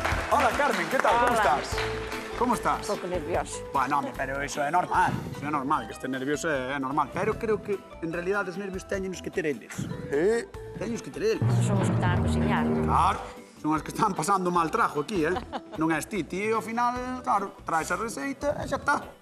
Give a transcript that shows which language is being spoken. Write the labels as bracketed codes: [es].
[es] Hola, Carmen, ¿qué tal? Hola. ¿Cómo estás? ¿Cómo estás? Un poco nervioso. [gl] Bueno, pero eso é normal. Eso é normal, que este nervioso é normal. Pero creo que, en realidad, os nervios teñenos que ter eles. ¿Eh? Teñenos que ter eles. Son os que están a cociñar. Claro. Son as que están pasando mal trajo aquí, ¿eh? Non és ti. Ti, ao final, claro, traes a receita e xa está.